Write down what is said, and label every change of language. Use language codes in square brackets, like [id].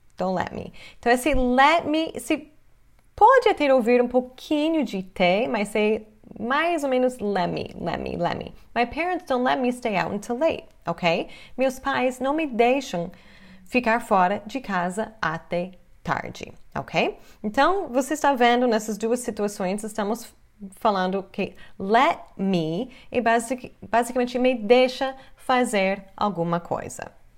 [pt] Então, esse let me, se pode até ouvir um pouquinho de T, mas say mais ou menos let me. [en] My parents don't let me stay out until late, ok? [pt] Meus pais não me deixam ficar fora de casa até tarde, ok? Então, você está vendo nessas duas situações, estamos falando que let me é basicamente me deixa fazer alguma coisa.